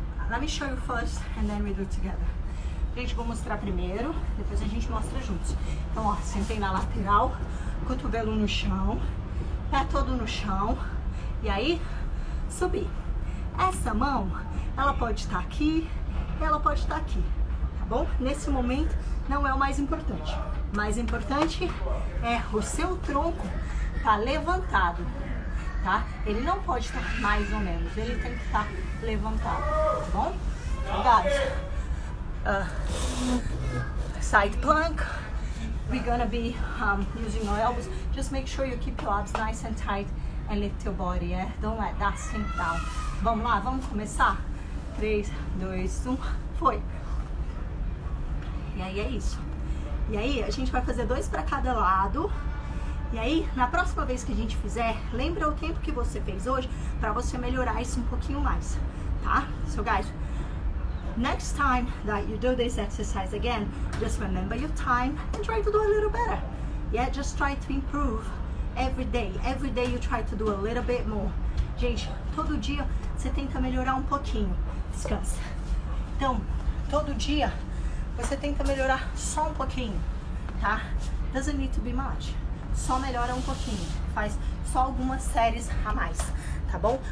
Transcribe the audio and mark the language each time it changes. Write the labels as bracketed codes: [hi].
[en] Let me show you first and then we do it together. [pt] Gente, vou mostrar primeiro, depois a gente mostra juntos. Então, ó, sentei na lateral, cotovelo no chão, pé todo no chão, e aí, subi. Essa mão, ela pode estar aqui, ela pode estar aqui, tá bom? Nesse momento, não é o mais importante. O mais importante é o seu tronco estar levantado, tá? Ele não pode estar mais ou menos, ele tem que estar levantado, tá bom? [en] Obrigada. Side plank. We're gonna be using our elbows. Just make sure you keep your abs nice and tight and lift your body, yeah? Don't let that sink down. [pt] Vamos lá, vamos começar? 3, 2, 1, foi! E aí é isso. E aí a gente vai fazer dois para cada lado. E aí, na próxima vez que a gente fizer, lembra o tempo que você fez hoje para você melhorar isso um pouquinho mais, tá? [en] So guys, next time that you do this exercise again, just remember your time and try to do a little better. Yeah, just try to improve every day. Every day you try to do a little bit more. [pt] Gente, todo dia você tenta melhorar um pouquinho. Descansa. Então, todo dia você tenta melhorar só um pouquinho, tá? [en] Doesn't need to be much. [pt] Só melhora um pouquinho. Faz só algumas séries a mais, tá bom?